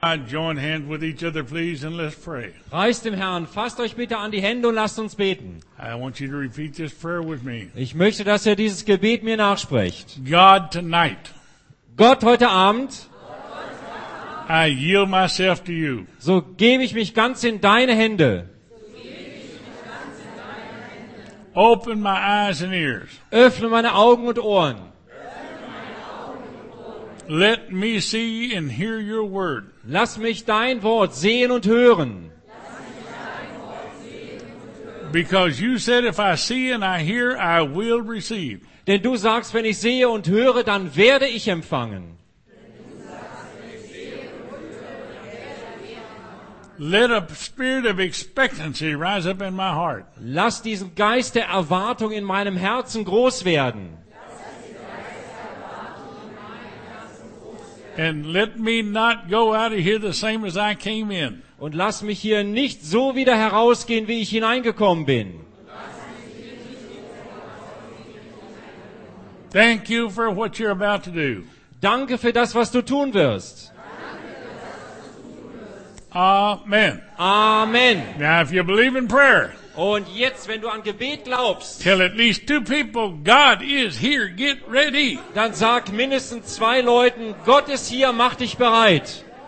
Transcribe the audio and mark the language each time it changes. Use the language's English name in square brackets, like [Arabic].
[English] And join hands with each other, please, and let's pray. [German] Reißt dem Herrn, fasst euch bitte an die Hände und lasst uns beten. [English] I want you to repeat this prayer with me. [German] Ich möchte, dass ihr dieses Gebet mir nachspricht. [English] God tonight. [German] Gott heute Abend. [English] I yield myself to you. [German] So gebe ich mich ganz in deine Hände. [English] Open my eyes and ears. [German] Öffne meine Augen und Ohren. [English] Let me see and hear your word. [German] Lass mich dein Wort sehen und hören. [English] Because you said if I see and I hear, I will receive. [German] Denn du sagst, wenn ich sehe und höre, dann werde ich empfangen. [English] Let a spirit of expectancy rise up in my heart. [German] Lass diesen Geist der Erwartung in meinem Herzen groß werden. [English] And let me not go out of here the same as I came in. [German] Und lass mich hier nicht so wieder herausgehen, wie ich hineingekommen bin. [English] Thank you for what you're about to do. [German] Danke für das, was du tun wirst. [English] Amen. [German] Amen. [English] Now if you believe in prayer. [German] Und jetzt, wenn du an Gebet glaubst. [English] Tell at least two people, God is here, get ready. [German] Dann sag mindestens zwei Leuten, Gott ist hier, mach dich bereit.